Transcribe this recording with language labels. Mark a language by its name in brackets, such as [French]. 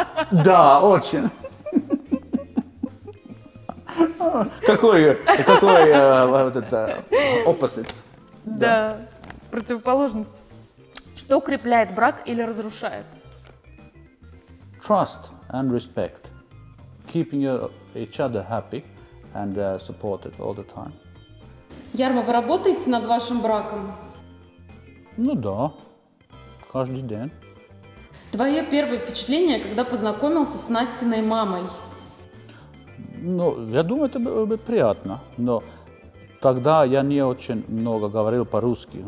[Russian] Да, очень. Какой вот это opposite? Да, противоположность. Что укрепляет брак или разрушает? [English] Trust and respect. Keeping each other happy and supported all the time. [Russian] Ярма, вы работаете над вашим браком? Ну да, каждый день. Твое первое впечатление, когда познакомился с Настиной мамой? Ну, я думаю, это было бы приятно, но тогда я не очень много говорил по-русски.